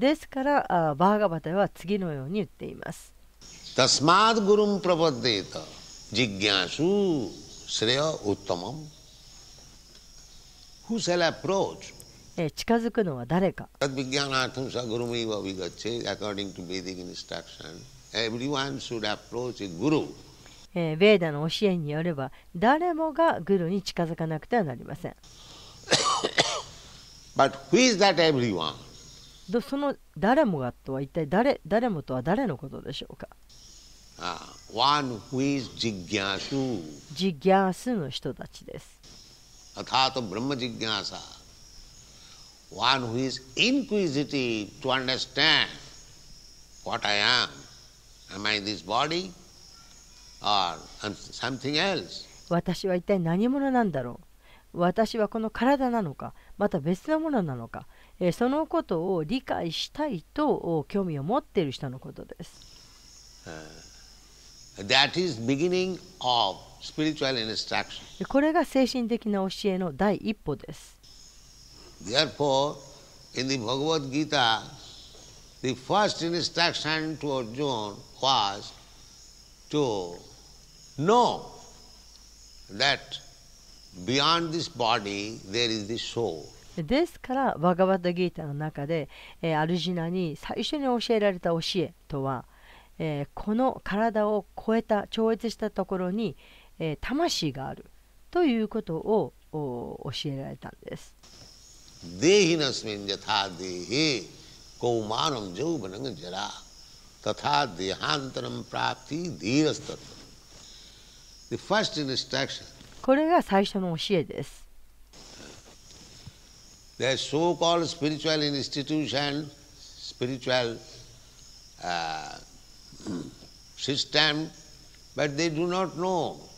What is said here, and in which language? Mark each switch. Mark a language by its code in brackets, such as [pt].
[ja] ですから、バーガヴァタムは次のように言っています。 [sa] タスマッドグルムプラパッディータジッギャーシュスレヤウッタマム。 [en] Who shall approach? [ja] 近づくのは誰か。 [en] That began [sa] Artham Sagurumiva Vigache, [en] according to Vedic instruction, everyone should approach a guru. [ja] ベーダの教えによれば、誰もがグルに近づかなくてはなりません。 [en] But who is that everyone? [ja] その誰もがとは一体誰もとは誰のことでしょうか。 [en] One who is Jigyasu. [ja] Jigyasu の人たちです。 [sa] Athato Brahma Jigyasa, [en] one who is inquisitive to understand what I am. Am I this body or something else? [ja] 私は一体何者なんだろう。私はこの体なのか、また別のものなのか。そのことを理解したいと興味を持っている人のことです。 [en] That is beginning of. Spiritual instruction. [ja] これが精神的な教えの第一歩です。 [en] Therefore, in the Bhagavad Gita, the first instruction to Arjuna was to know that beyond this body there is the soul. [ja] ですから、バガヴァッド・ギータの中で、アルジナに最初に教えられた教えとは、この体を超えた、超越したところに魂があるということを教えられたんです。 [sa] デヒナスミンジャタデヒコウマナムジョーバナガジャラタタデハントラムプラプティディアスタト。 [en] The first instruction. [ja] これが最初の教えです。 [en] The so-called spiritual institution, spiritual, system, but they do not know.